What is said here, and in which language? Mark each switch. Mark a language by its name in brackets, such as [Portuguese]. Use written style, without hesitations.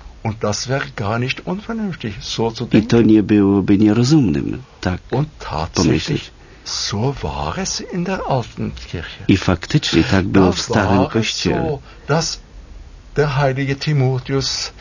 [German] Und das wäre gar nicht unvernünftig, so zu denken. [Polish] I to nie byłoby nierozumnym, tak pomyśleć. [German] So war es in der alten Kirche. [Polish] I faktycznie tak było w starym Kościele. [German] So, dass der heilige Timotheus,